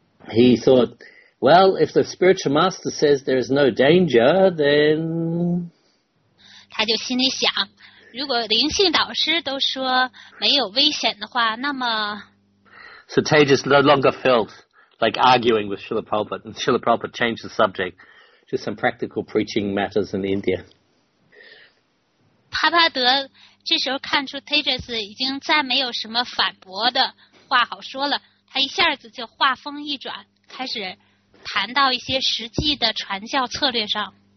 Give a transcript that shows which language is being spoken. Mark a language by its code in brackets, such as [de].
[en] He thought, well, if the spiritual master says there is no danger, then [zh] 他就心里想，如果灵性导师都说没有危险的话，那么 [en] So Tejas no longer felt like arguing with Srila Prabhupada, and Srila Prabhupada changed the subject to some practical preaching matters in India. [zh] 帕帕德这时候看出 Tejas 已经再没有什么反驳的话好说了，他一下子就话锋一转，开始谈到一些实际的传教策略上。